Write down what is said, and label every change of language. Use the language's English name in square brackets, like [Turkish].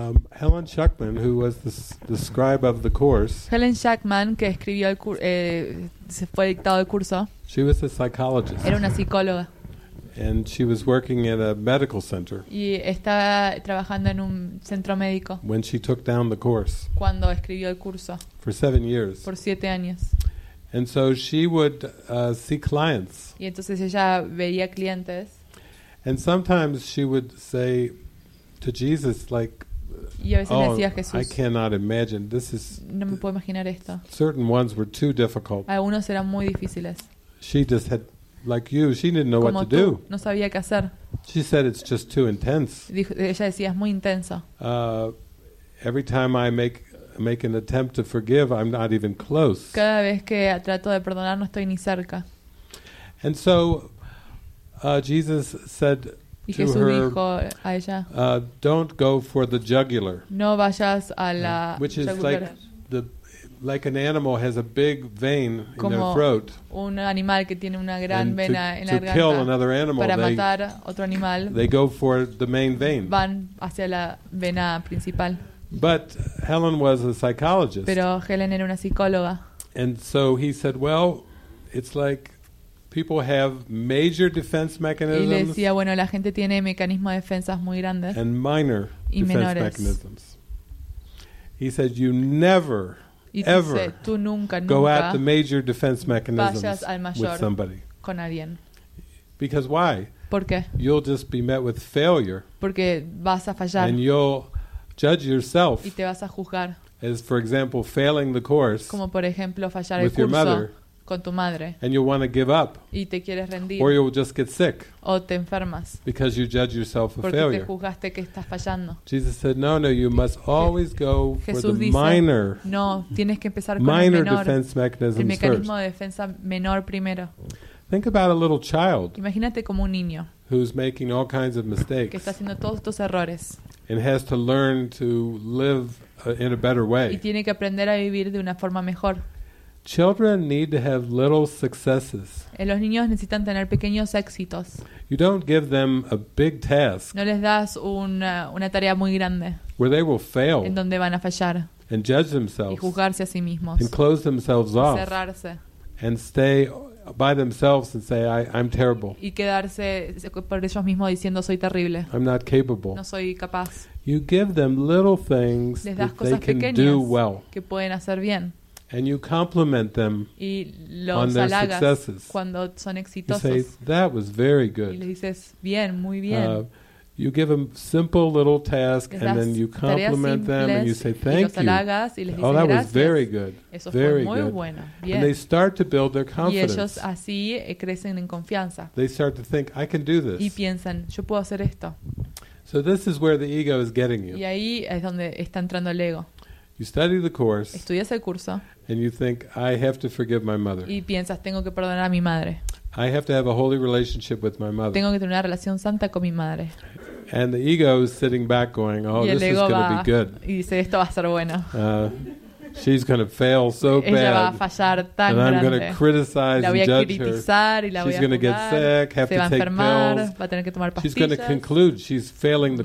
[English] Helen Schuckman, who was the scribe of the course. [Spanish] Helen Schuckman, que escribió el se fue dictado el curso. [English] She was a psychologist. [Spanish] Era una psicóloga. [English] And she was working at a medical center. [Spanish] Y estaba trabajando en un centro médico. [English] When she took down the course. [Spanish] Cuando escribió el curso. [English] For 7 years. [Spanish] Por 7 años. [English] And so she would see clients. [Spanish] Y entonces ella veía clientes. [English] And sometimes she would say to Jesus, like, [Spanish] y a veces oh, le decía a Jesús, [English] I cannot imagine. This is [Spanish] no me puedo imaginar esto. [English] Certain ones were too difficult. [Spanish] Algunos eran muy difíciles. [English] She just had. Like you, she didn't know [Spanish] como [English] what to [Spanish] tú, [English] do. [Spanish] No sabía qué hacer. [English] She said it's just too intense. [Spanish] Ella decía, es muy intenso. [English] Every time I make an attempt to forgive, I'm not even close. [Spanish] Cada vez que trato de perdonar, no estoy ni cerca. [English] And so Jesus said [Spanish] y Jesús [English] to her, [Spanish] dijo a ella, [English] don't go for the jugular. [Spanish] No vayas a la [English] which [Spanish] jugular. [English] Is like the like an animal has a big vein [Spanish] como [English] in their throat. [Spanish] Un animal que tiene una gran [English] and [Spanish] vena [English] to, [Spanish] en [English] to [Spanish] la garganta. [English] Kill another animal, [Spanish] para matar otro animal. [English] They go for the main vein. [Spanish] Van hacia la vena principal. [English] But Helen was a psychologist. [Spanish] Pero Helen era una psicóloga. [English] And so he said, well, it's like people have major defense mechanisms. [Spanish] Y le decía, bueno, la gente tiene mecanismos de defensas muy grandes. [English] And minor [Spanish] y [English] defense [Spanish] menores [English] mechanisms. He said, you never ever [Spanish] tú nunca [English] go at the major defense mechanisms with somebody. [Spanish] Con alguien. [English] Because why? [Spanish] ¿Por qué? [English] You'll just be met with failure. [Spanish] Porque vas a fallar. [English] And you'll judge yourself [Spanish] y te vas a juzgar. [English] As, for example, failing the course [Spanish] como por ejemplo, fallar [English] with [Spanish] el curso [English] your mother [Spanish] con tu madre. [English] And you'll want to give up. [Spanish] Y te quieres rendir. [English] Or you'll just get sick. [Spanish] O te enfermas. [English] Because you judge yourself a [Spanish] porque [English] failure. [Spanish] Te juzgaste que estás fallando. [English] Jesus said, no, you must always go [Spanish] Jesús [English] for the [Spanish] dice, [English] minor, [Spanish] no, tienes que empezar con [English] minor [Spanish] el menor, [English] defense mechanisms [Spanish] el mecanismo [English] first. [Spanish] De defensa menor primero. [English] Think about a little child. [Spanish] Imagínate como un niño. [English] Who's making all kinds of mistakes. [Spanish] Que está haciendo todos estos errores. [English] And has to learn to live in a better way. [Spanish] Y tiene que aprender a vivir de una forma mejor. [English] Children need to have little successes. [Spanish] Los niños necesitan tener pequeños éxitos. [English] You don't give them a big task. [Spanish] No les das una tarea muy grande. [English] Where they will fail. [Spanish] En donde van a fallar. [English] And judge themselves. [Spanish] Y juzgarse a sí mismos. [English] And close themselves off. [Spanish] Cerrarse. [English] And stay by themselves and say I'm terrible. [Spanish] Y quedarse por ellos mismos diciendo soy terrible. [English] I'm not capable. [Spanish] No soy capaz. [English] You give them little things [Spanish] les das [English] that they [Spanish] cosas pequeñas [English] can do well. [Spanish] Que pueden hacer bien. [English] And you compliment them [Spanish] y los [English] on their successes. [Spanish] Cuando son exitosos. [English] You say, that was very good. [Spanish] Y le dices, bien, muy bien. [English] You give them simple little tasks and then you compliment them and you say, thank [Spanish] y los [English] you. [Spanish] Y les dices, [English] oh, that [Spanish] gracias. [English] Was very good. [Spanish] Eso [English] very [Spanish] fue muy [English] good. [Spanish] Bueno. Bien. [English] And they start to build their confidence. [Spanish] Y ellos así crecen en confianza. [English] They start to think, I can do this. [Spanish] Y piensan, yo puedo hacer esto. [English] So this is where the ego is getting you. [Spanish] Y ahí es donde está entrando el ego. [English] You study the course. [Spanish] Estudias el curso. [English] And you think, I have to forgive my mother. [Spanish] Y piensas, tengo que perdonar a mi madre. [English] I have to have a holy relationship with my mother. [Spanish] Tengo que tener una relación santa con mi madre. [English] And the ego is sitting back going, oh, this is going to be good. [Spanish] Y dice, esto va a ser bueno. She's going to fail so bad. Ella va a fallar tan grande. [English] I'm going to criticize [Spanish] la voy a [English] and judge [Spanish] criticizar [English] her. [Spanish] Y la [English] she's going to get sick, have [Spanish] se [English] to take [Spanish] enfermar, [English] pills. [Spanish] Va a tener que tomar pastillas. [English] She's going to conclude she's failing the